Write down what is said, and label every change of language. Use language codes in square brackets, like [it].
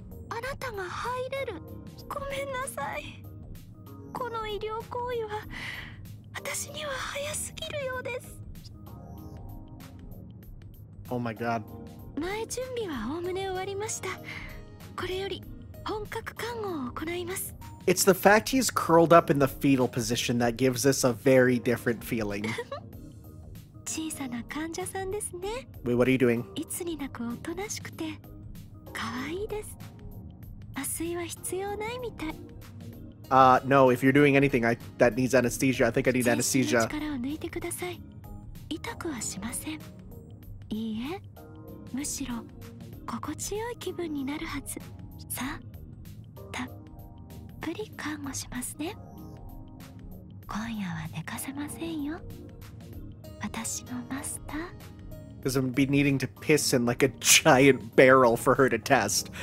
[ja] あなたが入れる。ごめんなさい。この医療行為は私には早すぎるようです。 [en] Oh my god. [ja] 前準備は概ね終わりました。これより本格看護を行います。 [en] It's the fact he's curled up in the fetal position that gives us a very different feeling. [ja] 小さな患者さんですね。 [en] Wait, what are you doing? [ja] いつになくおとなしくて可愛いです。麻酔は必要ないみたい。 [en] No, if you're doing anything that needs anesthesia, I think I need anesthesia. [ja] 全身の力を抜いてください。痛くはしません。いいえ、むしろ心地よい気分になるはず。さあ、たっぷり看護しますね。今夜は寝かせませんよ。私のマスター。 [en] Because I'm be needing to piss in like a giant barrel for her to test.